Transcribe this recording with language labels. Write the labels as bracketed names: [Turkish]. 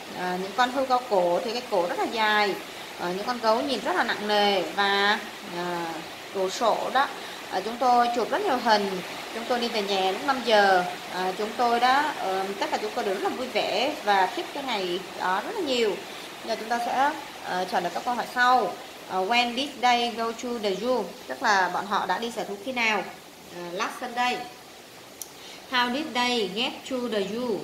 [Vietnamese] Những con hươu cao cổ thì cái cổ rất là dài. Những con gấu nhìn rất là nặng nề và đồ sộ đó. Chúng tôi chụp rất nhiều hình. Chúng tôi đi về nhà lúc 5 giờ. Chúng tôi đã tất cả chúng tôi đều rất là vui vẻ và thích cái ngày đó rất là nhiều. Giờ chúng ta sẽ trả lời các câu hỏi sau. [English] When did they go to the zoo? [Vietnamese] Tức là bọn họ đã đi sở thú khi nào? [English] Last Sunday. How did they get to the zoo?